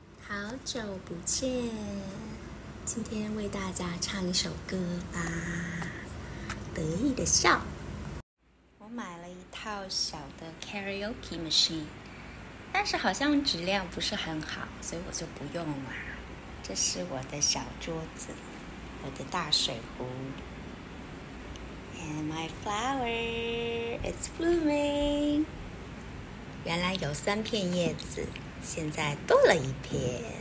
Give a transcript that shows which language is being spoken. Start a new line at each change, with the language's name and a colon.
Chinese: 好久不见，今天为大家唱一首歌吧。得意的笑。我买了一套小的 karaoke machine， 但是好像质量不是很好，所以我就不用了。这是我的小桌子，我的大水壶。
English: And my flower, it's blooming.
Chinese: 原来有三片叶子，现在多了一片。